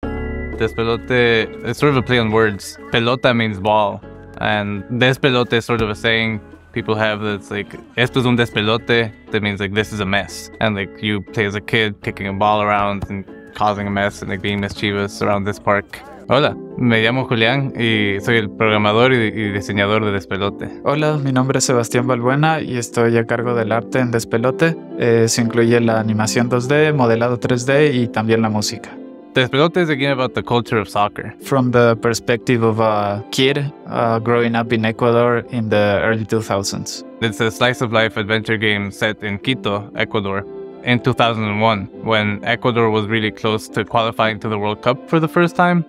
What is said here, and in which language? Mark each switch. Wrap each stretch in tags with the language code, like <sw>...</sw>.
<en>Despelote, it's sort of a play on words. Pelota means ball. And despelote is sort of a saying people have that's like,</en> <es>esto es un despelote,</es> <en>that means like, this is a mess. And like, you play as a kid kicking a ball around and causing a mess and like being mischievous around this park.</en> <es>Hola, me llamo Julián y soy el programador y diseñador de Despelote. Hola, mi nombre es Sebastián Valbuena y estoy a cargo del arte en Despelote. Eso incluye la animación 2D, modelado 3D y también la música.</es> <en>Despelote is a game about the culture of soccer. From the perspective of a kid growing up in Ecuador in the early 2000s. It's a slice of life adventure game set in Quito, Ecuador, in 2001, when Ecuador was really close to qualifying to the World Cup for the first time.</en>